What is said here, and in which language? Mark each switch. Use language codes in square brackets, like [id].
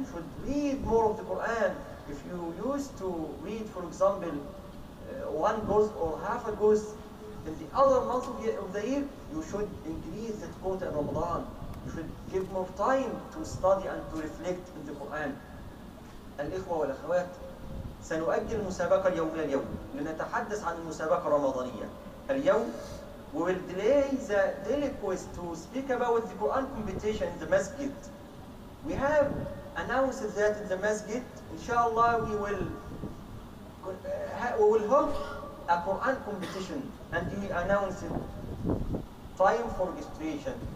[en] You should read more of the Quran. If you used to read, for example, one juz or half a juz in the other month of the year, you should increase that quota in Ramadan. You should give more time to study and to reflect in the Quran. [ar] الإخوة والأخوات، سنؤجل المسابقة اليومية اليوم لنتحدث عن المسابقة الرمضانية. اليوم, [en] we will delay the daily quiz to speak about the Quran competition in the masjid. We have announced that in the masjid, inshallah, we will hold a Quran competition. and he announced time for registration.